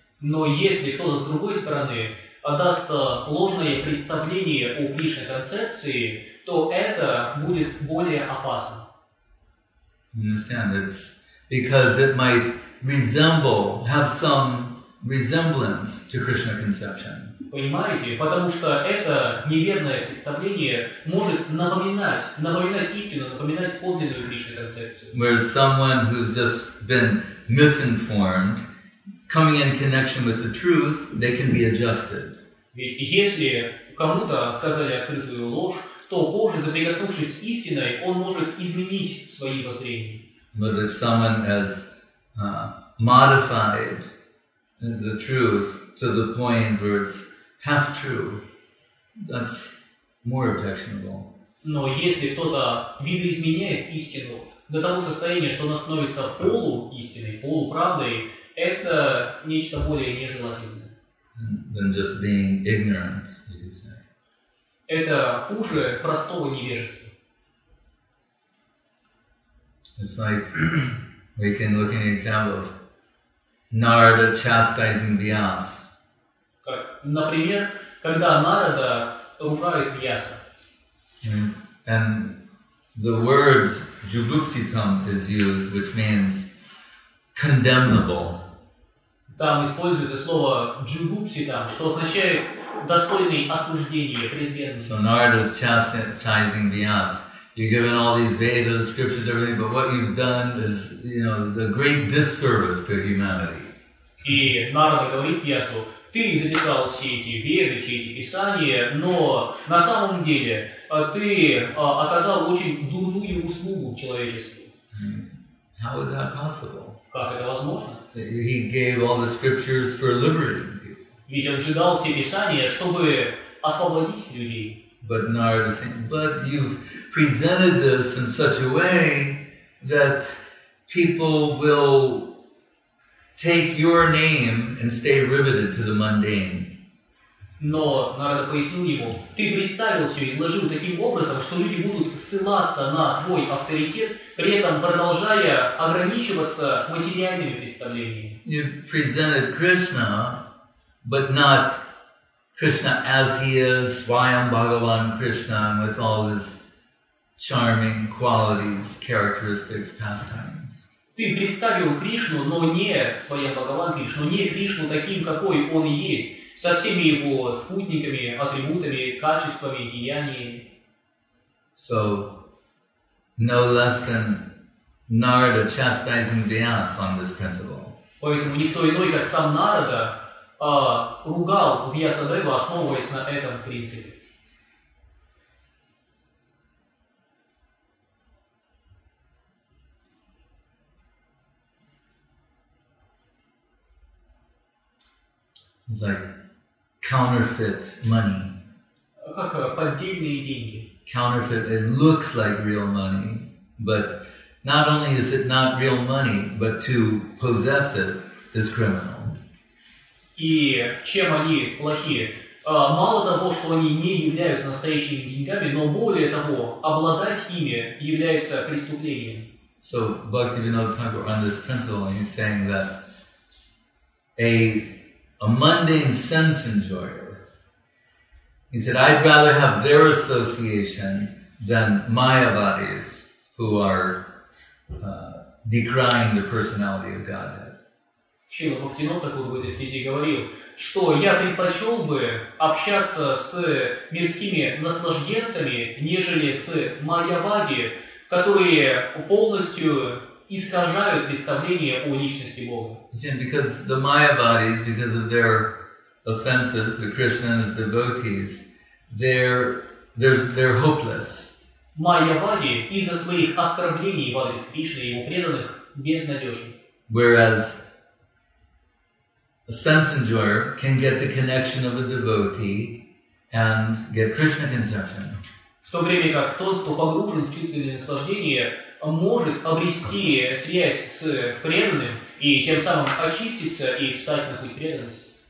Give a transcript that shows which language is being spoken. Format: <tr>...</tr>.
<ru>Но если кто-то с другой стороны отдаст ложное представление о Кришне концепции, то это будет более опасно.</ru> <en>You understand? It's because it might have some resemblance to Krishna conception.</en> <ru>Понимаете? Потому что это неверное представление может напоминать истину, напоминать подлинную Кришна концепцию.</ru> <en>Whereas someone who's just been misinformed, coming in connection with the truth, they can be adjusted.</en> <ru>Ведь если кому-то сказали открытую ложь, то позже, заприкоснувшись с истиной, он может изменить свои воззрения.</ru> <en>But if someone has modified the truth to the point where it's half true, that's more objectionable.</en> <ru>Но если кто-то видоизменяет истину до того состояния, что она становится полуистиной, полуправдой, это нечто более нежелательное.</ru> <en>Than just being ignorant, you could say.</en> <ru>Это хуже простого невежества.</ru> <en>It's like we can look at an example of Narada chastising Vyas.</en> <ru>Как, например, когда Нарада ругает Вьяса.</ru> <en>And the word jubuksitam is used, which means condemnable.</en> <ru>Там используется слово jubuksitam, что означает достойный осуждения, презренный.</ru> <en>So Narada is chastising Vyas. You're given all these Vedas, scriptures, everything, but what you've done is, the great disservice to humanity.</en> <ru>И Нарада говорит Вьясу, ты записал все эти веды, все эти писания, но на самом деле ты оказал очень дурную услугу человечеству.</ru> <en>How is that possible?</en> <ru>Как это возможно?</ru> <en>He gave all the scriptures for liberating people.</en> <ru>Ведь он же дал все писания, чтобы освободить людей.</ru> <en>But Нарада said, but you've presented this in such a way that people will take your name and stay riveted to the mundane.</en> <ru>Но Нарада пояснил ему, ты представил все, изложил таким образом, что люди будут ссылаться на твой авторитет, при этом продолжая ограничиваться материальными представлениями.</ru> <en>You presented Krishna, but not Krishna as he is, Swayam Bhagavan Krishna, with all his charming qualities, characteristics, pastimes.</en> <ru>Ты представил Кришну, но не своя Бхагаван Кришну, не Кришну таким, какой он и есть, со всеми его спутниками, атрибутами, качествами, деяниями.</ru> <en>So, no less than Narada chastising Vyas on this principle.</en> <ru>Поэтому никто иной, как сам Нарада, ругал Вьясадеву, основываясь на этом принципе.</ru> <en>Like counterfeit money.</en> <ru>Как поддельные деньги.</ru> <en>Counterfeit, it looks like real money, but not only is it not real money, but to possess it is criminal.</en> <ru>И чем они плохие? Мало того, что они не являются настоящими деньгами, но более того, обладать ими является преступлением.</ru> <en>So Bhaktivinoda Thakur on this principle, he's saying that a mundane sense enjoyer, he said, I'd rather have their association than Mayavadis who are decrying the personality of Godhead.</en> <ru>Шрила Бхактивинода Тхакур в этой связи говорил, что я предпочел бы общаться с мирскими наслажденцами, нежели с майявади, которые полностью искажают представление о личности Бога.</ru> <en>Because the Mayavadis, because of their offenses to Krishna and his devotees, they're hopeless.</en> <ru>Майявади из-за своих оскорблений в адрес Кришны и его преданных безнадежны.</ru> <en>Whereas a sense enjoyer can get the connection of a devotee and get Krishna conception.</en> <ru>В то время как тот, кто погружен в чувственное наслаждение, может обрести связь с преданным и тем самым очиститься и встать на путь преданности.</ru>